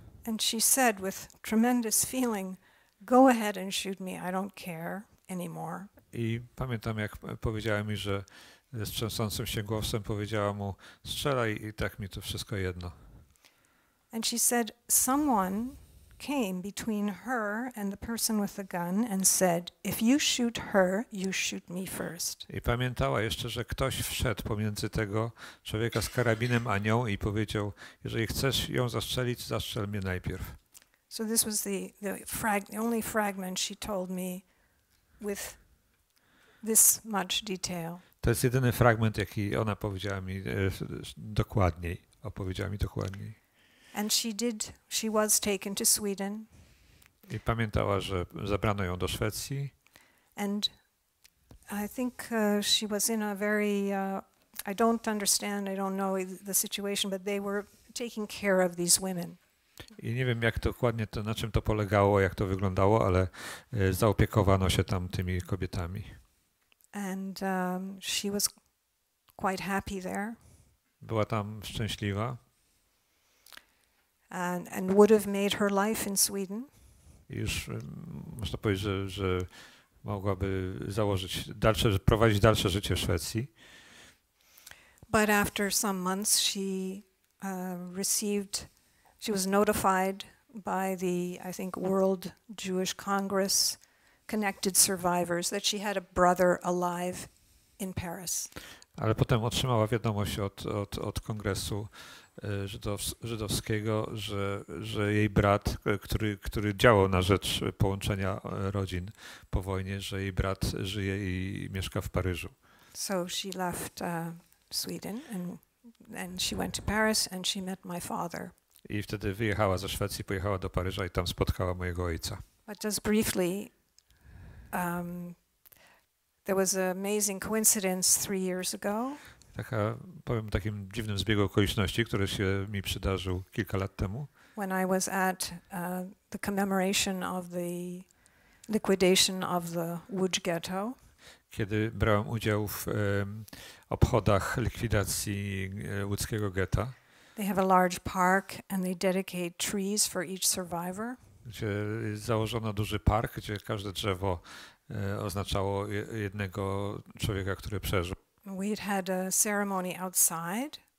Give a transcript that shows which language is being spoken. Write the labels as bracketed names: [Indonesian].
[English] And she said with tremendous feeling, go ahead and shoot me, I don't care anymore. [Polish] I pamiętam, jak powiedziała mi, że z trzęsącym się głosem powiedziała mu, strzelaj i tak mi to wszystko jedno. [English] And she said someone came between her and the person with the gun and said, if you shoot her, you shoot me first. [Polish] I pamiętała jeszcze, że ktoś wszedł pomiędzy tego człowieka z karabinem a nią i powiedział, jeżeli chcesz ją zastrzelić, zastrzel mnie najpierw. [English] So this was the only fragment she told me with this much detail. [Polish] To jest jedyny fragment, jaki ona powiedziała mi dokładniej. Opowiedziała mi dokładniej. [English] And she was taken to Sweden. [Polish] I pamiętała, że zabrano ją do Szwecji. [English] And I think she was in a very I don't understand, I don't know the situation, but they were taking care of these women. [Polish] I nie wiem, jak dokładnie to, na czym to polegało, jak to wyglądało, ale zaopiekowano się tam tymi kobietami. [English] And she was quite happy there. [Polish] Była tam szczęśliwa. [English] And would have made her life in Sweden. [Polish] Już można powiedzieć, że mogłaby założyć dalsze, prowadzić dalsze życie w Szwecji. [English] But after some months, she received, she was notified by the, I think, World Jewish Congress Connected Survivors that she had a brother alive in Paris. [Polish] Ale potem otrzymała wiadomość od kongresu żydowskiego, że jej brat, który działał na rzecz połączenia rodzin po wojnie, że jej brat żyje i mieszka w Paryżu. [English] So she left Sweden and she went to Paris and she met my father. [Polish] I wtedy wyjechała ze Szwecji, pojechała do Paryża i tam spotkała mojego ojca. [English] But just briefly, there was an amazing coincidence 3 years ago. [Polish] Taka, powiem o takim dziwnym zbiegu okoliczności, który się mi przydarzył kilka lat temu. [English] When I was at the commemoration of the liquidation of the Łódź ghetto. [Polish] Kiedy brałem udział w obchodach likwidacji łódzkiego getta. [English] They have a large park and they dedicate trees for each survivor. [Polish] Gdzie założono duży park, gdzie każde drzewo oznaczało jednego człowieka, który przeżył. [English] We had a ceremony outside.